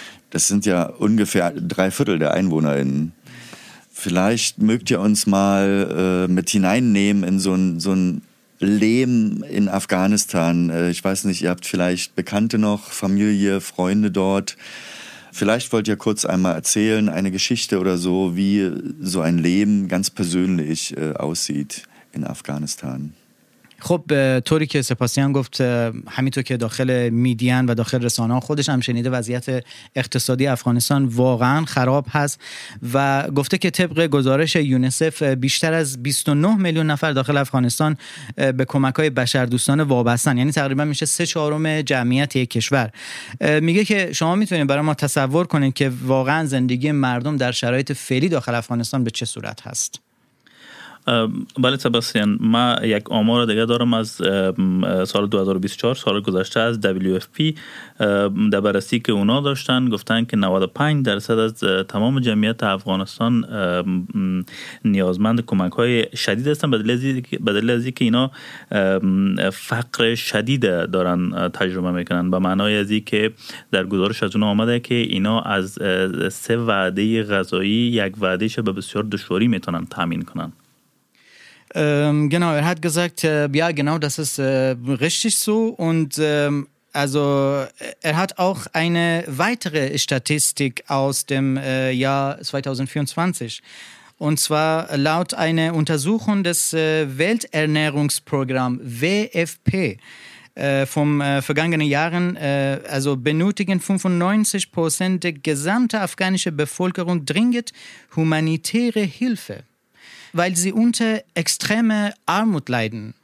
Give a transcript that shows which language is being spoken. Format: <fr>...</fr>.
<de>Das sind ja ungefähr 3/4 der EinwohnerInnen. Vielleicht mögt ihr uns mal mit hineinnehmen in so ein Leben in Afghanistan. Ich weiß nicht, ihr habt vielleicht Bekannte noch, Familie, Freunde dort. Vielleicht wollt ihr kurz einmal erzählen, eine Geschichte oder so, wie so ein Leben ganz persönlich aussieht in Afghanistan.</de> <fa>خب طوری که سپاسیان گفت همینطور که داخل میدین و داخل رسانه‌ها خودش هم شنیده وضعیت اقتصادی افغانستان واقعا خراب هست و گفته که طبق گزارش یونیسف بیشتر از 29 میلیون نفر داخل افغانستان به کمک‌های بشردوستانه وابستن، یعنی تقریبا میشه 3/4 جمعیت یک کشور. میگه که شما میتونید برای ما تصور کنید که واقعا زندگی مردم در شرایط فعلی داخل افغانستان به چه صورت هست؟ بله سباسیان، ما یک آمار دیگه دارم از سال 2024، سال گذشته، از WFP. در بررسی که اونا داشتن گفتن که 95% از تمام جمعیت افغانستان نیازمند کمک های شدید هستن، بدلیل از اینکه اینا فقر شدید دارن تجربه میکنن، به معنای از اینکه در گزارش از اونا آمده که اینا از 3 وعده غذایی یک وعدهش به بسیار دشواری میتونن تامین کنن.</fa> <de>Genau, er hat gesagt, ja genau, das ist richtig so. Und also er hat auch eine weitere Statistik aus dem Jahr 2024. Und zwar laut einer Untersuchung des Welternährungsprogramms WFP vom vergangenen Jahren, also benötigen 95% der gesamten afghanischen Bevölkerung dringend humanitäre Hilfe, weil sie unter extremer Armut leiden.</de>